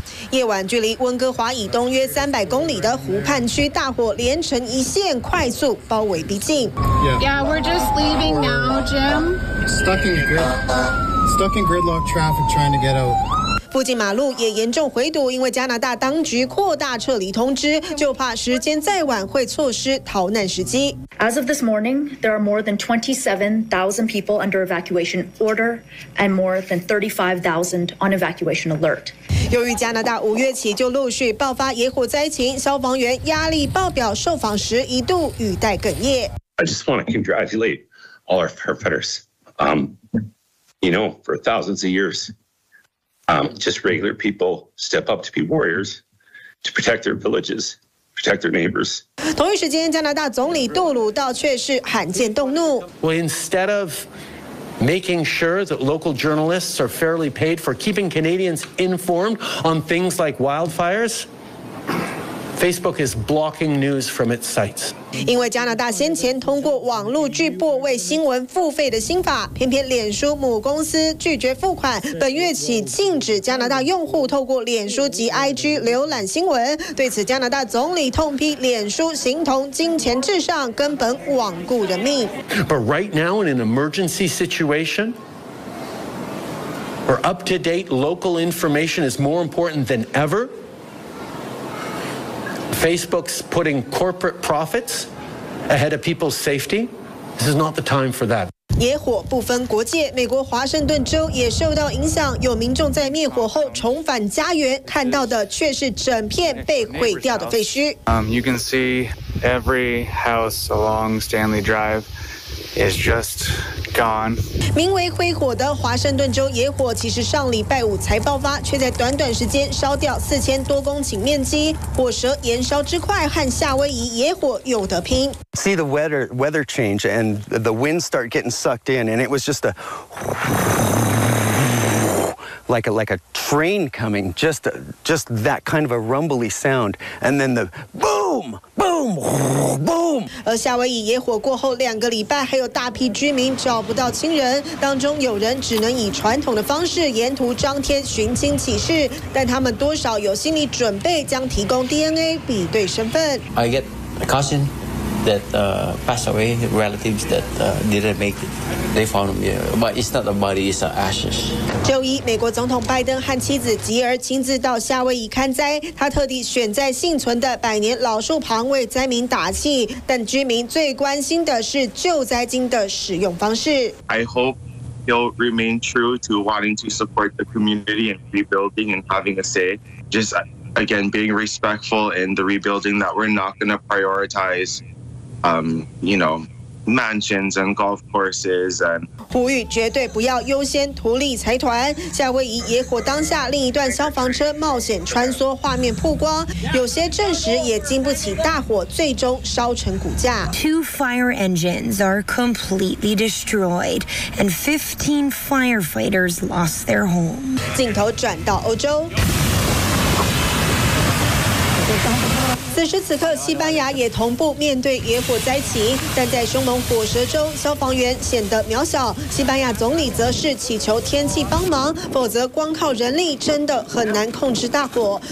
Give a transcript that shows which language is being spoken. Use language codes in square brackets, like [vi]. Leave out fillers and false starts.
[zh] 夜晚，距离温哥华以东约300公里的湖畔区，大火连成一线，快速包围逼近。 [en] Yeah, we're just leaving now, Jim. Stuck in gridlock traffic, trying to get out. [zh] 附近马路也严重回堵，因为加拿大当局扩大撤离通知，就怕时间再晚会错失逃难时机。 [en] As of this morning, there are more than 27,000 people under evacuation order and more than 35,000 on evacuation alert. [zh] 由于加拿大五月起就陆续爆发野火灾情，消防员压力爆表，受访时一度语带哽咽。 [en] I just want to congratulate all our firefighters. You know, for thousands of years. Just regular people step up to be warriors to protect their villages, protect their neighbors. [zh] 同一时间，加拿大总理杜鲁道却是罕见动怒。 [en] Well, instead of making sure that local journalists are fairly paid for keeping Canadians informed on things like wildfires, Facebook is blocking news from its sites. [zh] 因为加拿大先前通过网络巨擘为新闻付费的新法，偏偏脸书母公司拒绝付款，本月起禁止加拿大用户透过脸书及 IG 浏览新闻。对此，加拿大总理痛批脸书形同金钱至上，根本罔顾人命。 [en] But right now, in an emergency situation, where up-to-date local information is more important than ever. Facebook's putting corporate profits ahead of people's safety. This is not the time for that. [zh] 野火不分国界，美国华盛顿州也受到影响。有民众在灭火后重返家园，看到的却是整片被毁掉的废墟。 [en] You can see every house along Stanley Drive. Is just gone. [zh] 名为灰火的华盛顿州野火，其实上礼拜五才爆发，却在短短时间烧掉4000多公顷面积。火舌燃烧之快，和夏威夷野火有得拼。 [en] See the weather change and the wind start getting sucked in, and it was just a like a train coming, just that kind of a rumbly sound, and then the boom. Boom! [zh] 而夏威夷野火过后2个礼拜，还有大批居民找不到亲人，当中有人只能以传统的方式沿途张贴寻亲启事，但他们多少有心理准备，将提供 DNA 比对身份。 [en] I get a caution, that passed away, relatives that didn't make it. They found him, yeah. But it's not the body, it's the ashes. [zh] 周一，美国总统拜登和妻子吉尔亲自到夏威夷看灾，他特地选在幸存的百年老树旁为灾民打气。但居民最关心的是救灾金的使用方式。 [en] I hope he'll remain true to wanting to support the community and rebuilding and having a say. Just again, being respectful in the rebuilding that we're not going to prioritize, you know, mansions and golf courses and. [zh] 呼吁绝对不要优先图利财团。夏威夷野火当下，另一段消防车冒险穿梭，画面曝光，有些证实也经不起大火，最终烧成骨架。 [en] Two fire engines are completely destroyed, and 15 firefighters lost their home. [zh] 镜头转到欧洲。此时此刻，西班牙也同步面对野火灾情，但在凶猛火舌中，消防员显得渺小。西班牙总理则是祈求天气帮忙，否则光靠人力真的很难控制大火。